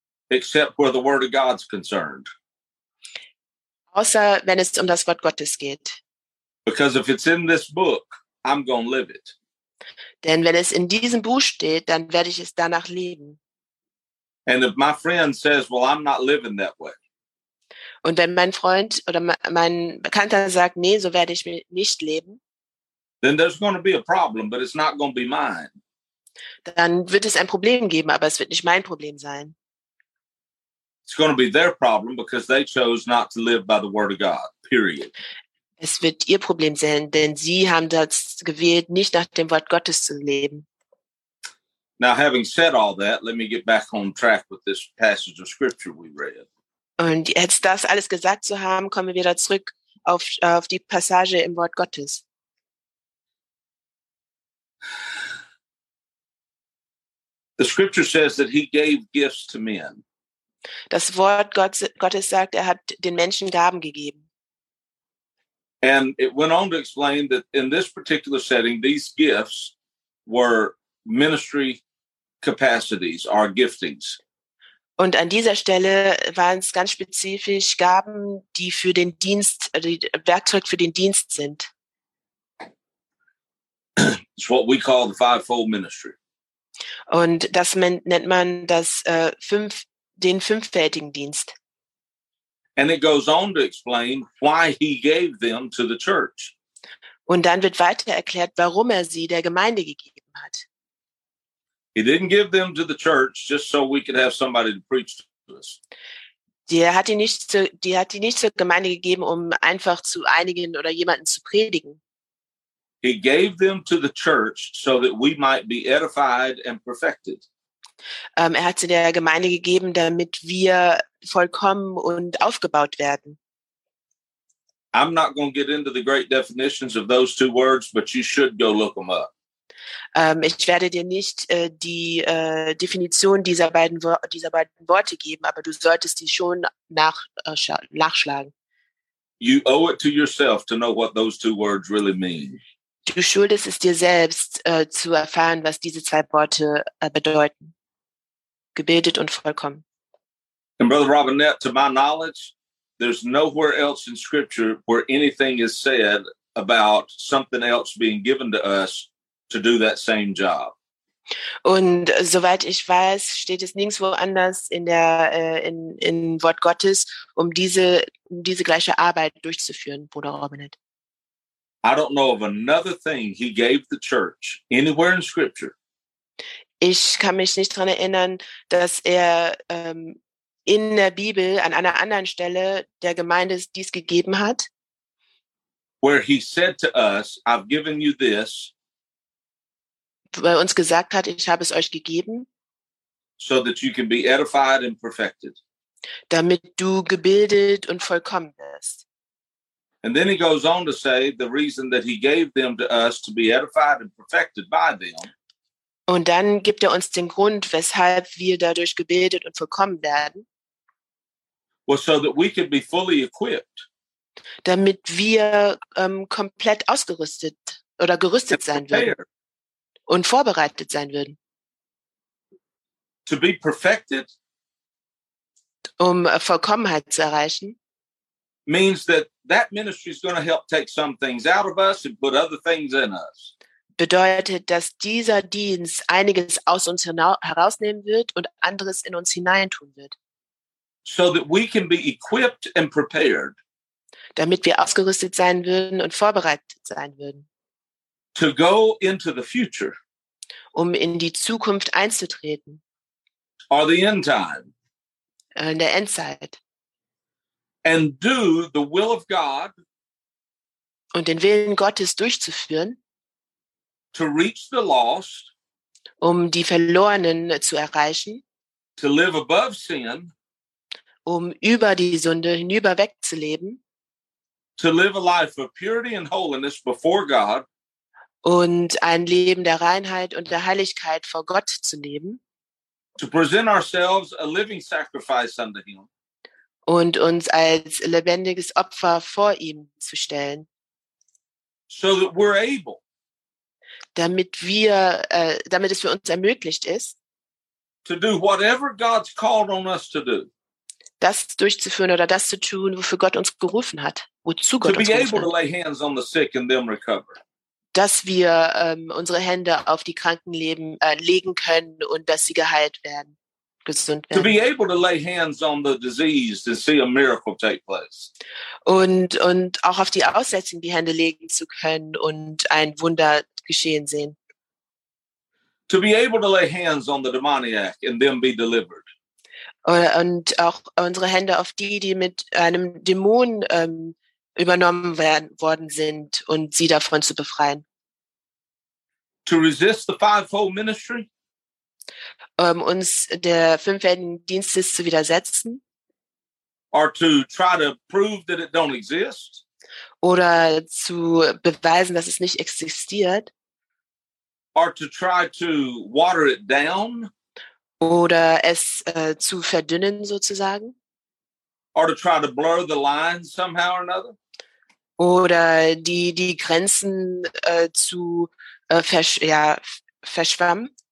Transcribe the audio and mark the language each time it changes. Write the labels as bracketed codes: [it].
[en] Except where the word of God's concerned. [de] Außer wenn es um das Wort Gottes geht. [en] Because if it's in this book, I'm going to live it. [de] Denn wenn es in diesem Buch steht, dann werde ich es danach leben. [en] And if my friend says, well, I'm not living that way. [de] Und wenn mein Freund oder mein Bekannter sagt, nee, so werde ich nicht leben. [en] Then there's going to be a problem, but it's not going to be mine. [de] Dann wird es ein Problem geben, aber es wird nicht mein Problem sein. [en] It's going to be their problem because they chose not to live by the word of God, period. [de] Es wird ihr Problem sein, denn sie haben das gewählt, nicht nach dem Wort Gottes zu leben. [en] Now, having said all that, let me get back on track with this passage of scripture we read. [de] Und jetzt das alles gesagt zu haben, kommen wir wieder zurück auf die Passage im Wort Gottes. [en] The scripture says that he gave gifts to men. [de] Das Wort Gottes sagt, er hat den Menschen Gaben gegeben. [en] And it went on to explain that in this particular setting, these gifts were ministry capacities or giftings. [de] Und an dieser Stelle waren es ganz spezifisch Gaben, die für den Dienst, die Werkzeug für den Dienst sind. [en] It's what we call the fivefold ministry. [de] Und das nennt man das den fünffältigen Dienst. [en] And it goes on to explain why he gave them to the church. [de] Und dann wird weiter erklärt, warum er sie der Gemeinde gegeben hat. [en] He didn't give them to the church just so we could have somebody to preach to us. [de] Die hat die nicht zur Gemeinde gegeben, um einfach zu einigen oder jemanden zu predigen. [en] He gave them to the church so that we might be edified and perfected. [de] Er hat sie der Gemeinde gegeben, damit wir vollkommen und aufgebaut werden. [en] I'm not going to get into the great definitions of those two words, but you should go look them up. [de] Ich werde dir nicht die Definition dieser beiden Worte geben, aber du solltest die schon nachschlagen. [en] You owe it to yourself to know what those two words really mean. [de] Du schuldest es dir selbst, zu erfahren, was diese zwei Worte bedeuten. Gebildet und vollkommen. [en] And Brother Robinette, to my knowledge, there's nowhere else in Scripture where anything is said about something else being given to us to do that same job. [de] Und soweit ich weiß, steht es nirgendwo anders in Wort Gottes, um diese gleiche Arbeit durchzuführen, Bruder Robinette. [en] I don't know of another thing he gave the church anywhere in Scripture. [de] Ich kann mich nicht daran erinnern, dass er in der Bibel an einer anderen Stelle der Gemeinde dies gegeben hat. [en] Where he said to us, I've given you this. [de] Weil uns gesagt hat, ich habe es euch gegeben. [en] So that you can be edified and perfected. [de] Damit du gebildet und vollkommen wirst. [en] And then he goes on to say the reason that he gave them to us to be edified and perfected by them. [de] Und dann gibt uns den Grund, weshalb wir dadurch gebildet und vollkommen werden. [en] Was so that we could be fully equipped. [de] Damit wir komplett ausgerüstet oder gerüstet sein würden und vorbereitet sein würden. [en] To be perfected. [de] Um Vollkommenheit zu erreichen. [en] Means that ministry is going to help take some things out of us and put other things in us. [de] Bedeutet, dass dieser Dienst einiges aus uns herausnehmen wird und anderes in uns hineintun wird. [en] So that we can be equipped and prepared. [de] Damit wir ausgerüstet sein würden und vorbereitet sein würden. [en] To go into the future. [de] Um in die Zukunft einzutreten. [en] Or the end time. [de] In der Endzeit. [en] And do the will of God. [de] Und den Willen Gottes durchzuführen. [en] To reach the lost. [de] Um die Verlorenen zu erreichen. [en] To live above sin. [de] Um über die Sünde hinüber wegzuleben. [en] To live a life of purity and holiness before God. [de] Und ein Leben der Reinheit und der Heiligkeit vor Gott zu leben. [en] To present ourselves a living sacrifice unto Him. [de] Und uns als lebendiges Opfer vor ihm zu stellen. [en] So that we're able. [de] Damit es für uns ermöglicht ist. [en] To do whatever God's called on us to do. [de] Das durchzuführen oder das zu tun, wofür Gott uns gerufen hat. Wozu Gott uns gerufen hat. [en] To be able to lay hands on the sick and them recover. [de] Dass wir unsere Hände auf die Kranken legen können und dass sie geheilt werden. [en] To be able to lay hands on the diseased and see a miracle take place. [de] Und auch auf die Aussätzigen die Hände legen zu können und ein Wunder geschehen sehen. [en] To be able to lay hands on the demoniac and then be delivered. [de] Und auch unsere Hände auf die mit einem Dämon übernommen worden sind und sie davon zu befreien. [en] To resist the fivefold ministry. [de] Uns der fünffältigen Dienstes zu widersetzen. [en] Or to try to prove that it don't exist. [de] Oder zu beweisen, dass es nicht existiert. [en] Or to try to water it down. [de] Oder es zu verdünnen, sozusagen. [en] Or to try to blur the lines somehow or another. [de] Oder die Grenzen verschwammen.